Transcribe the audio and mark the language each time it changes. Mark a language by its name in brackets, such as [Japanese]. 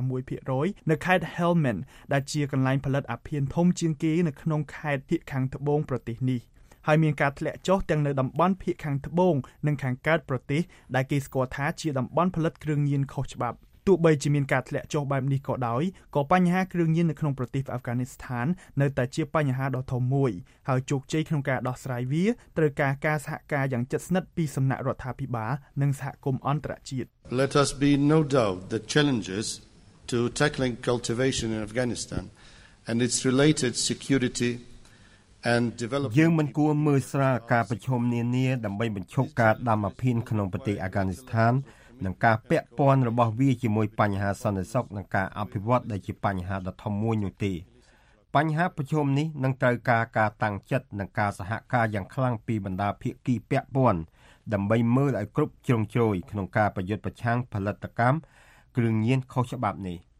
[Khmer] 16% នៅខេត្ត Helmand ដែលជាកន្លែងផលិតអភិជាតិធំជាងគេនៅក្នុងខេត្តភាគខាងត្បូងប្រទេសនេះហើយមានការធ្លាក់ចុះទាំងនៅតំបន់ភាគខាងត្បូងនិងខាងកើតប្រទេសដែលគេស្គាល់ថាជាតំបន់ផលិតគ្រឿងញៀនខុសច្បាប់ទោះបីជាមានការធ្លាក់ចុះបែបនេះក៏ដោយក៏បញ្ហាគ្រឿងញៀននៅក្នុងប្រទេសអាហ្វហ្គានីស្ថាននៅតែជាបញ្ហាដ៏ធំមួយហើយជោគជ័យក្នុងការដោះស្រាយវាត្រូវការការសហការយ៉ាងជិតស្និទ្ធពីសំណាក់រដ្ឋាភិបាលនិងសហគមន៍អន្តរជាតិ [English] Let us be no doubt the challenges to tackling cultivation in Afghanistan and its related security [Khmer] យើងមិនគួរមើលស្រាលការប្រឈមនានាដើម្បីបញ្ឈប់ការដាំអភិនក្នុងប្រទេសអាហ្គានីស្ថាននិងការពាក់ព័ន្ធរបស់វាជាមួយបញ្ហាសន្តិសុខនិងការអភិវឌ្ឍដែលជាបញ្ហាដ៏ធំមួយនោះទេបញ្ហាប្រឈមនេះនឹងត្រូវការការតាំងចិត្តនិងការសហការយ៉ាងខ្លាំងពីបណ្ដាភាគីពាក់ព័ន្ធដើម្បីមើលឲ្យគ្រប់ជ្រុងជ្រោយក្នុងការប្រយុទ្ធប្រឆាំងផលិតកម្មគ្រឿងញៀនខុសច្បាប់នេះ